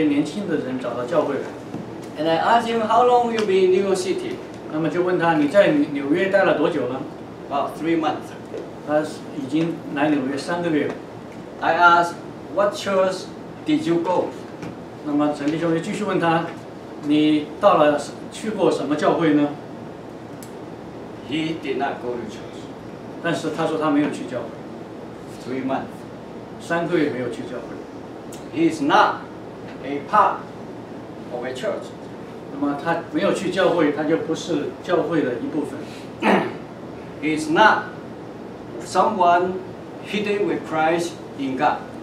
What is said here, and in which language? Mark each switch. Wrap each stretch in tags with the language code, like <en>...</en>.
<zh>我们非常高兴能看到这些年轻的人找到教会来。</zh> <en>And I asked him how long you been in New York City.</en> <zh>那么就问他你在纽约待了多久了？</zh> <en>About 3 months.</en> <zh>他已经来纽约3个月了。</zh> <en>I asked what church did you go?</en> <zh>那么陈弟兄就继续问他，你到了去过什么教会呢？</zh> <en>He did not go to church.</en> <zh>但是他说他没有去教会。</zh> <en>3 months.</en> <zh>3个月没有去教会。</zh> <en>He is not a part of a church.</en> <zh>那么他没有去教会，他就不是教会的一部分。</zh> <en>He is not someone hidden with Christ in God.</en>